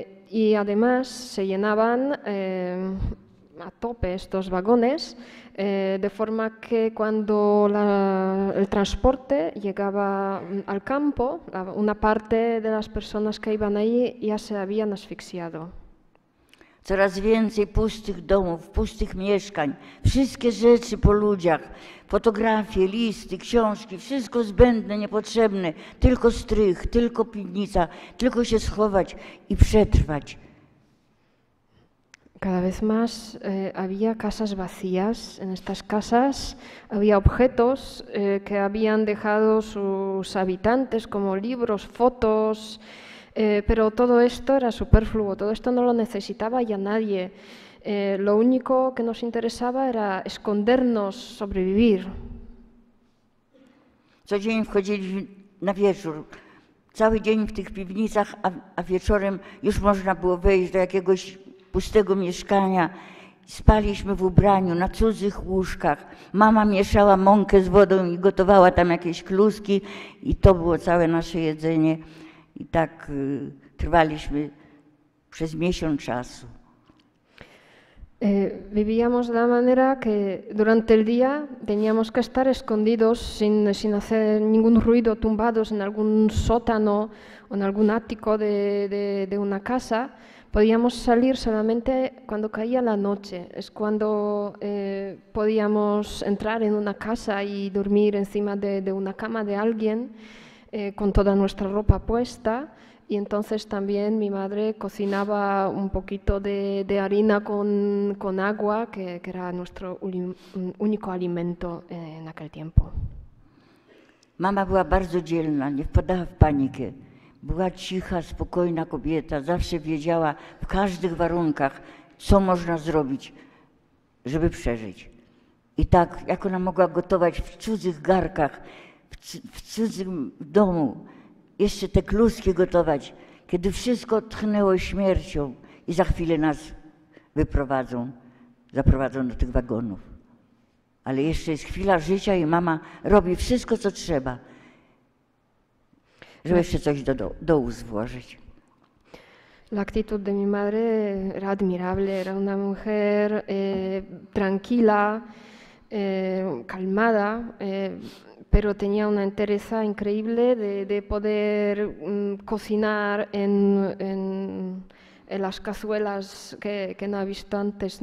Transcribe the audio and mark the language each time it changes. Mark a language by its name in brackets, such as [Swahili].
[Spanish] Y además se llenaban a tope estos vagones. De forma que cuando el transporte llegaba al campo, una parte de las personas que iban ahí ya se habían asfixiado. [Polish] Coraz więcej pustych domów, pustych mieszkań, wszystkie rzeczy po ludziach, fotografie, listy, książki, wszystko zbędne, niepotrzebne, tylko strych, tylko piwnica, tylko się schować i przetrwać. [Spanish] Cada vez más había casas vacías. En estas casas había objetos que habían dejado sus habitantes, como libros, fotos, pero todo esto era superfluo, todo esto no lo necesitaba ya nadie. Lo único que nos interesaba era escondernos, sobrevivir. [Polish] Codzień wchodzili na wieczór, cały dzień w tych piwnicach, a wieczorem już można było wejść do jakiegoś pustego mieszkania, spaliśmy w ubraniu, na cudzych łóżkach. Mama mieszała mąkę z wodą i gotowała tam jakieś kluski i to było całe nasze jedzenie. I tak trwaliśmy przez miesiąc czasu. [Spanish] Vivíamos de la manera que durante el día teníamos que estar escondidos sin hacer ningún ruido, tumbados en algún sótano o en algún ático de una casa. Podíamos salir solamente cuando caía la noche, es cuando podíamos entrar en una casa y dormir encima de una cama de alguien con toda nuestra ropa puesta y entonces también mi madre cocinaba un poquito de harina con agua, que era nuestro único alimento en aquel tiempo. [Polish] Mama była bardzo dzielna, nie wpadała w panikę. Była cicha, spokojna kobieta, zawsze wiedziała w każdych warunkach, co można zrobić, żeby przeżyć. I tak, jak ona mogła gotować w cudzych garkach, w cudzym domu, jeszcze te kluski gotować, kiedy wszystko tchnęło śmiercią i za chwilę nas wyprowadzą, zaprowadzą do tych wagonów. Ale jeszcze jest chwila życia i mama robi wszystko, co trzeba, żeby jeszcze coś do ust włożyć. [Spanish] La actitud de mi madre era admirable, era una mujer tranquila, calmada, pero tenía una entereza increíble de poder cocinar en las cazuelas que no ha visto antes.